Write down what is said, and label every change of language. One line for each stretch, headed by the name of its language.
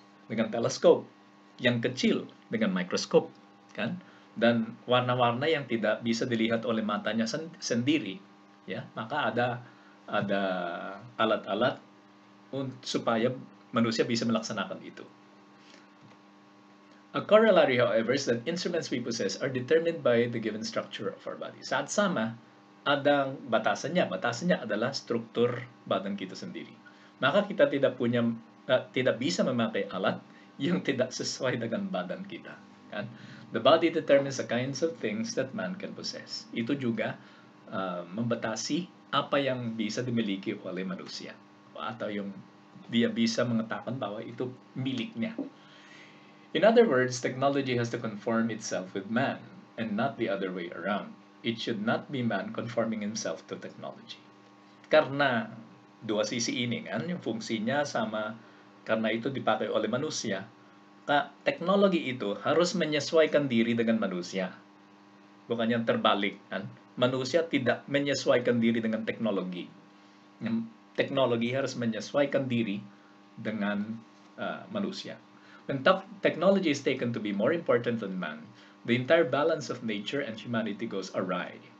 Indonesian: Dengan teleskop, yang kecil dengan mikroskop, kan? Dan warna-warna yang tidak bisa dilihat oleh matanya sendiri, ya, maka ada alat-alat supaya manusia bisa melaksanakan itu.
English: A corollary, however, is that instruments we possess are determined by the given structure of our body.
Indonesian: Saat sama, ada batasannya adalah struktur badan kita sendiri. Maka kita tidak bisa memakai alat yang tidak sesuai dengan badan kita, kan?
English: The body determines the kinds of things that man can possess.
Indonesian: Itu juga membatasi apa yang bisa dimiliki oleh manusia atau yang dia bisa mengatakan bahwa itu miliknya.
English: In other words, technology has to conform itself with man and not the other way around. It should not be man conforming himself to technology.
Indonesian: Karena dua sisi ini kan, yang fungsinya sama, karena itu dipakai oleh manusia, teknologi itu harus menyesuaikan diri dengan manusia. Bukan yang terbalik, kan? Manusia tidak menyesuaikan diri dengan teknologi. Teknologi harus menyesuaikan diri dengan manusia.
English: When technology is taken to be more important than man, the entire balance of nature and humanity goes awry.